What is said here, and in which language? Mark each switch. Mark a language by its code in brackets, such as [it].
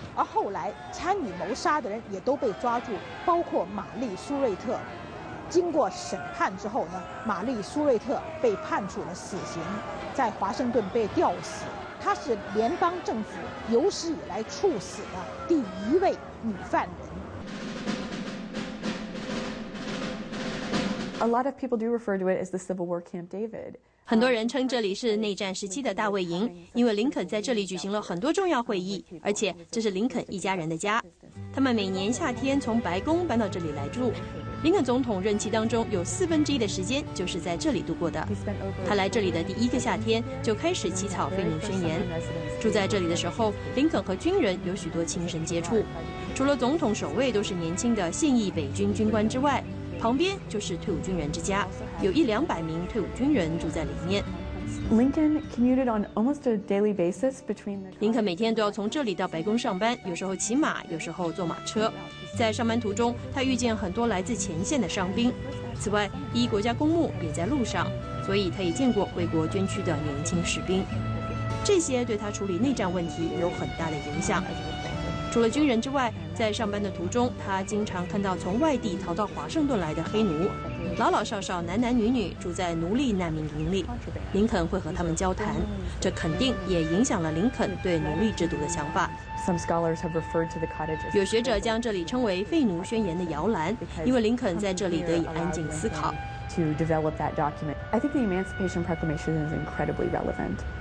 [zh] 而后来参与谋杀的人也都被抓住，包括玛丽·苏瑞特。经过审判之后呢，玛丽·苏瑞特被判处了死刑，在华盛顿被吊死。她是联邦政府有史以来处死的第一位女犯人。 [en] A lot of people do refer to it as the Civil War Camp David. [zh] 很多人称这里是内战时期的大卫营，因为林肯在这里举行了很多重要会议，而且这是林肯一家人的家。他们每年夏天从白宫搬到这里来住。林肯总统任期当中有四分之一的时间就是在这里度过的。他来这里的第一个夏天就开始起草废奴宣言。住在这里的时候，林肯和军人有许多亲身接触。除了总统、守卫都是年轻的现役北军军官之外，旁边就是退伍军人之家，有一两百名退伍军人住在里面。 [en] Lincoln commuted on almost a daily basis between the. [zh] 林肯每天都要从这里到白宫上班，有时候骑马，有时候坐马车。在上班途中，他遇见很多来自前线的伤兵。此外，一国家公墓也在路上，所以他也见过为国捐躯的年轻士兵。这些对他处理内战问题有很大的影响。除了军人之外，在上班的途中，他经常看到从外地逃到华盛顿来的黑奴，老老少少、男男女女住在奴隶难民营里。林肯会和他们交谈，这肯定也影响了林肯对奴隶制度的想法。 [en] Some scholars have referred to the cottages. [zh] 有学者将这里称为废奴宣言的摇篮，因为林肯在这里得以安静思考。 [en] to develop that document. I think the Emancipation Proclamation is incredibly relevant.